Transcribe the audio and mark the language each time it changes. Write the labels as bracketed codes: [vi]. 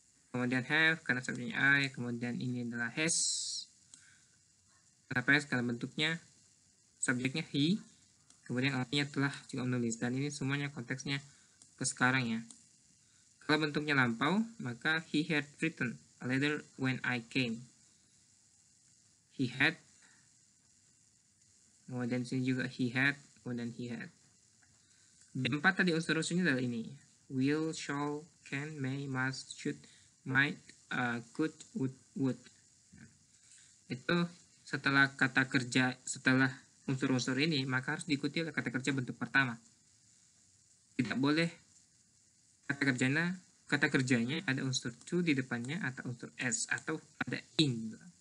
[id] Kemudian have, karena sebenarnya I, kemudian ini adalah has, kenapa has, karena bentuknya, subjeknya he, kemudian artinya telah juga menulis, dan ini semuanya konteksnya ke sekarang ya. Kalau bentuknya lampau, maka [en] he had written a letter when I came. He had. [id] Kemudian sini juga [en] he had. [id] Kemudian he had. B4 tadi unsur rusuhnya adalah ini. [en] Will, shall, can, may, must, should, might, could, would. [id] Itu setelah kata kerja, setelah unsur-unsur ini, maka harus diikuti oleh kata kerja bentuk pertama. Tidak boleh kata kerjanya, kata kerjanya ada unsur to di depannya atau unsur s atau ada in.